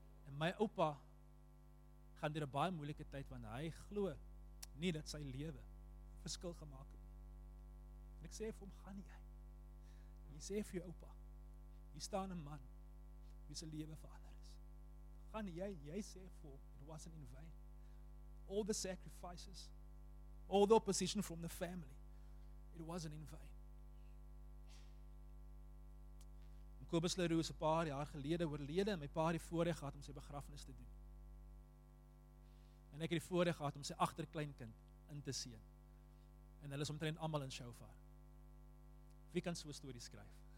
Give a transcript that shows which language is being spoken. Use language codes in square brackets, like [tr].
[af] En my oupa gaan deur 'n baie moeilike tyd, want hy glo nie dat sy lewe verskil gemaak het. En ek sê vir hom, gaan nie jy. En jy sê vir jou oupa, hier staan 'n man, wie se lewe verander is. Gaan nie jy, jy sê vir hom, [en] it wasn't in vain. All the sacrifices, all the opposition from the family, it wasn't in vain. [af] Kobus Leroux is 'n paar jaar gelede oorlede, en my pa het die voorreg gehad om sy begrafnis te doen. En ek het die voorreg gehad om sy agterkleinkind in te seën. En hulle is omtrent almal in Shofar. Wie kan so 'n storie skryf?